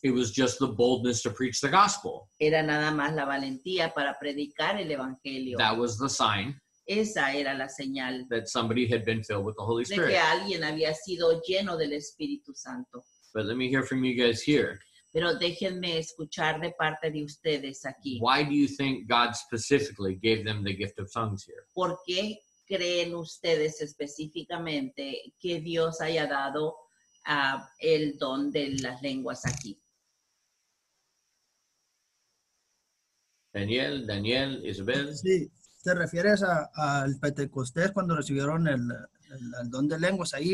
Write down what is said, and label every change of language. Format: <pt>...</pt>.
<en>It was just the boldness to preach the gospel.</en> <es>Era nada más la valentía para predicar el evangelio.</es> <en>That was the sign.</en> <es>Esa era la señal.</es> <en>That somebody had been filled with the Holy Spirit.</en> <es>De que alguien había sido lleno del Espíritu Santo.</es> <en>But let me hear from you guys here.</en> <es>Pero déjenme escuchar de parte de ustedes aquí.</es> <en>Why do you think God specifically gave them the gift of tongues here?</en> <es>¿Por qué creen ustedes específicamente que Dios haya dado el don de las lenguas aquí? Daniel, Isabel. Sí, te refieres al Pentecostés cuando recibieron el don de lenguas ahí.</es>